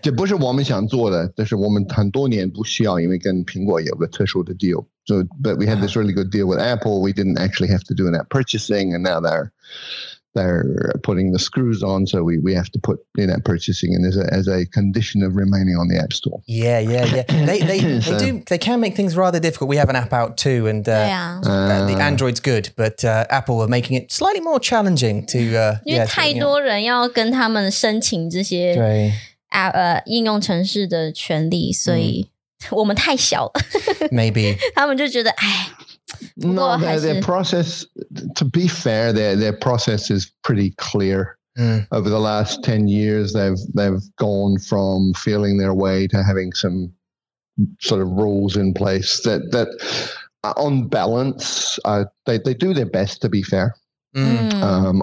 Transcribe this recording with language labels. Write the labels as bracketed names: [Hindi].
[Chinese] 这不是我们想做的，但是我们很多年不需要，因为跟苹果有个特殊的 [English] deal, so, but we had this really good deal with Apple, we didn't actually have to do in-app purchasing, and now they're putting the screws on, so we have to put in app purchasing in as a condition of remaining on the App Store. Yeah, yeah, yeah. They can make things rather difficult. We have an app out too, and the Android's good, but Apple are making it slightly more challenging to... [Chinese] 因为太多人要跟他们申请这些应用程式的权利，所以我们太小了。 [English] Maybe. [Chinese] 他们就觉得，哎。 [English] No, their process, to be fair, their process is pretty clear. Mm. Over the last 10 years, they've gone from feeling their way to having some sort of rules in place that on balance, they do their best, to be fair. Mm.